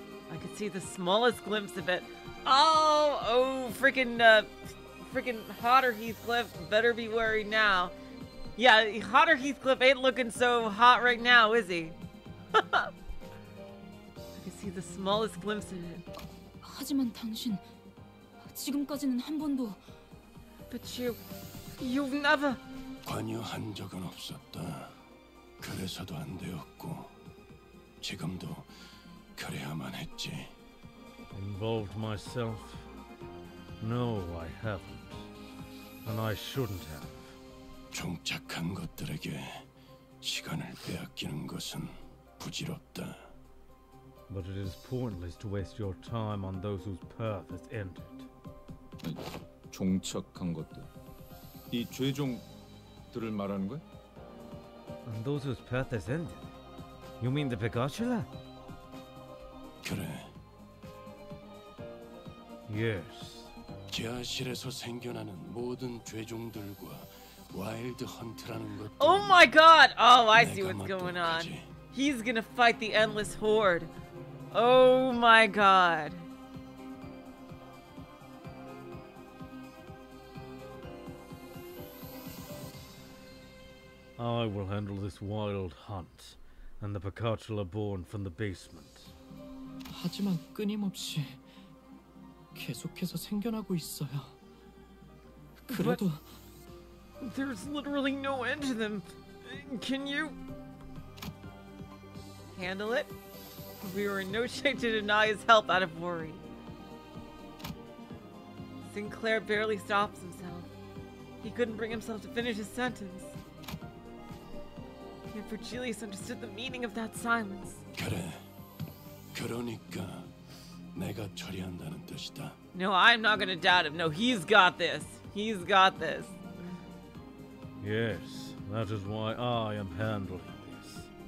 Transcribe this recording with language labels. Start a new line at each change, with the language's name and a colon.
English: I could see the smallest glimpse of it. Freaking hotter Heathcliff, better be wary now. Yeah, hotter Heathcliff ain't looking so hot right now, is he? I could see the smallest glimpse of it.
Korean: 하지만 당신 지금까지는 한 번도.
English: But you've never.
Korean: 관여한 적은 없었다. 그래서도 안 되었고 지금도 그래야만 했지.
English: Involved myself? No, I haven't. And I shouldn't have.
Korean: 종착한 것들에게 시간을 빼앗기는 것은 부질없다.
English: But it is pointless to waste your time on those whose path has ended.
Korean: 종착한 것들. 이 죄종 들을 말하는 거야?
English: And those whose path has ended? You mean the Pegatula?
Korean: 그래.
English: Yes.
Korean: 지하실에서 생겨나는 모든 죄종들과 와일드 헌트라는 것.
English: Oh my god! Oh, I see what's going on. 그지? He's gonna fight the endless horde. Oh my god. I will handle this wild hunt and the Pecatula born from the basement.
Korean: 하지만 끊임없이 계속해서 생겨나고 있어요. 그래도
English: but there's literally no end to them. Can you handle it? We were in no shape to deny his help out of worry. Sinclair barely stops himself. He couldn't bring himself to finish his sentence. If Virgilius understood the meaning of that silence.
Korean: 그래. 그러니까 내가 처리한다는 뜻이다.
English: No, I'm not gonna doubt him. No, he's got this. He's got this. Yes, that is why I am handling this.